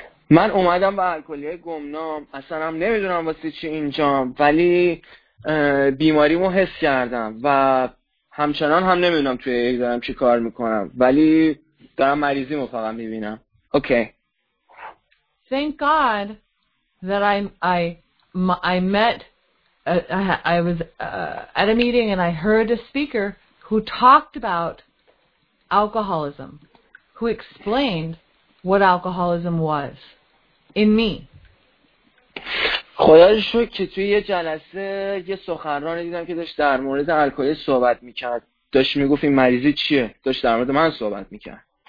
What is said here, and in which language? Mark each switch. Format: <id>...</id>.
<fa>من اومدم به الکلیه گمنام، اصلا هم نمیدونم واسه چی اینجام، ولی بیماریمو حس کردم و همچنان هم نمیدونم توی ای دارم چی کار میکنم، ولی دارم مریضیمو فقط میبینم.</fa> <en>Okay. Thank God that I was at a meeting and I heard a speaker who talked about alcoholism, who explained what alcoholism was in me.</en> <fa>خدا شکر که توی یه جلسه یه سخنران دیدم که داشت در مورد الکلی صحبت میکرد. داشت میگفت این مریضی چیه؟ داشت در مورد من صحبت میکرد.</fa>